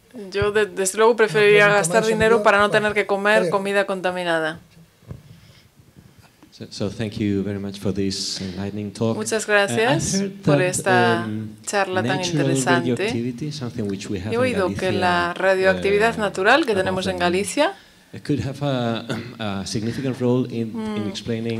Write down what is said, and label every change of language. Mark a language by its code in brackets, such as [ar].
[es] Yo desde luego preferiría gastar dinero para no tener que comer comida contaminada. [en] So thank you very much for this enlightening talk. [es] Muchas gracias por esta charla tan interesante. He oído que la radioactividad natural que tenemos en Galicia [en] could have a significant role in explaining